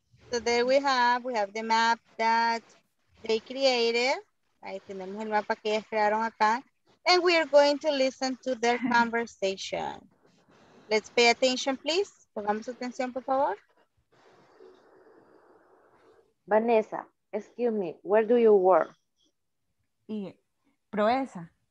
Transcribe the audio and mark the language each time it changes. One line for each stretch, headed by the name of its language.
English: So there we have the map that they created.
Spanish: Ahí tenemos el mapa que ellos crearon acá.
English: And we are going to listen to their conversation. Let's pay attention, please.
Spanish: Pongamos atención, por favor.
English: Vanessa, excuse me, where do you work?
Spanish: Y Proeza.